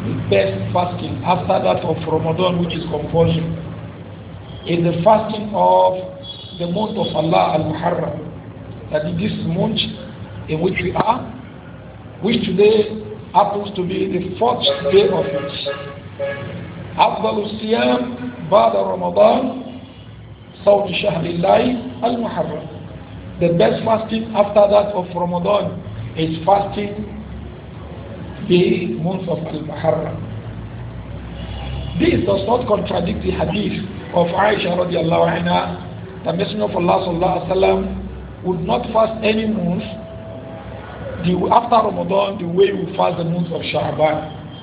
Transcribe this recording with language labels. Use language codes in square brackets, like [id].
[en] The best fasting after that of Ramadan, which is compulsion, is the fasting of the month of Allah al-Muharram. That is this month in which we are, which today happens to be the fourth day of it. [ar] أفضل الصيام بعد رمضان صوم شهر الله المحرم. [en] The best fasting after that of Ramadan is fasting the month of Al-Muharram. This does not contradict the hadith of Aisha radiallahu anha, the Messenger of Allah sallallahu alaihi wasallam would not fast any month after Ramadan the way we fast the month of Sha'ban.